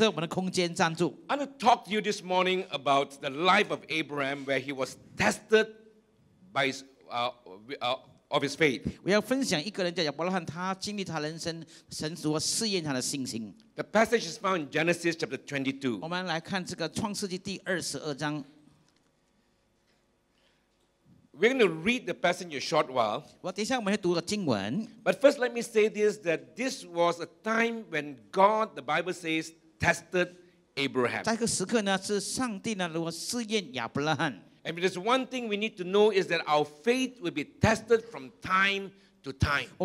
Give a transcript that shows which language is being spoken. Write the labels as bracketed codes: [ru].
[en] I want to talk to you this morning about the life of Abraham, where he was tested by his, of his faith. [zh] 我要分享一个人叫亚伯拉罕，他经历他人生神所试验他的信心。 [en] The passage is found in Genesis chapter 22. [zh] 我们来看这个创世纪第22章。 [en] We're going to read the passage in a short while. But first, let me say this, that this was a time when God, the Bible says, tested Abraham. And if there's one thing we need to know is that our faith will be tested from time to time.